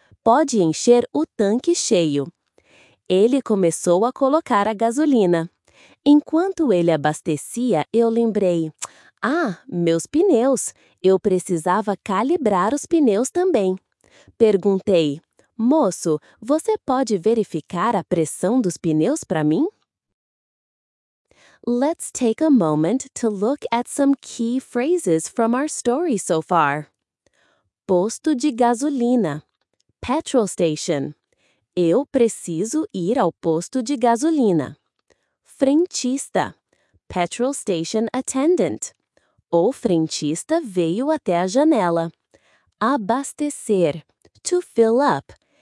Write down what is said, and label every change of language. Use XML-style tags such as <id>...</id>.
<pt>Pode encher o tanque cheio." Ele começou a colocar a gasolina. Enquanto ele abastecia, eu lembrei, "Ah, meus pneus. Eu precisava calibrar os pneus também." Perguntei, "Moço, você pode verificar a pressão dos pneus para mim?"</pt> <en>Let's take a moment to look at some key phrases from our story so far.</en> <pt>Posto de gasolina.</pt> <en>Petrol station.</en> <pt>Eu preciso ir ao posto de gasolina.</pt> <en>Frentista. Petrol station attendant.</en> <pt>O frentista veio até a janela. Abastecer.</pt> <en>To fill up.</en>